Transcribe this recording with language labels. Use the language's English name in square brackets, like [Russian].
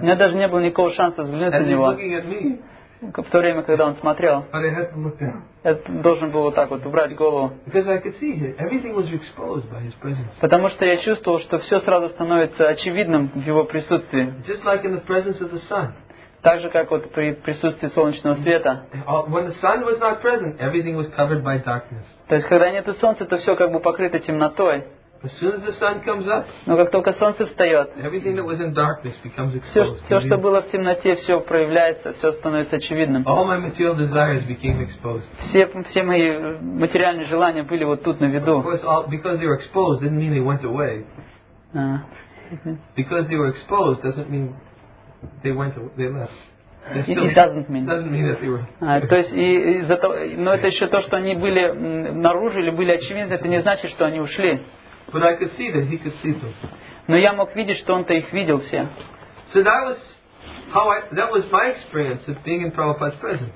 [Russian] У меня даже не было никакого шанса взглянуть and на него. [English] Looking at me. [Russian] В то время, когда он смотрел. [English] But I had to look at him. [Russian] Я должен был вот так вот убрать голову. [English] Because I could see that everything was exposed by his presence. [Russian] Потому что я чувствовал, что все сразу становится очевидным в его присутствии. [English] Just like in the presence of the sun. [Russian] Так же, как вот при присутствии солнечного света. [English] When the sun was not present, everything was covered by darkness. [Russian] То есть, когда нет солнца, то все как бы покрыто темнотой. [English] As soon as the sun comes up, [Russian] но как только солнце встает, [English] everything that was in darkness becomes exposed. [Russian] Все, что было в темноте, все проявляется, все становится очевидным. [English] All my material desires became exposed. [Russian] Все мои материальные желания были вот тут на виду. [English] Of course, because they were exposed didn't mean they went away. Because they were exposed doesn't mean they went away, they left. [Russian] Но это еще то, что они были наружу или были очевидны, это не значит, что они ушли. [English] But I could see that he could see them. [Russian] Но я мог видеть, что он-то их видел все. [English] So that was how that was my experience of being in Prabhupada's presence.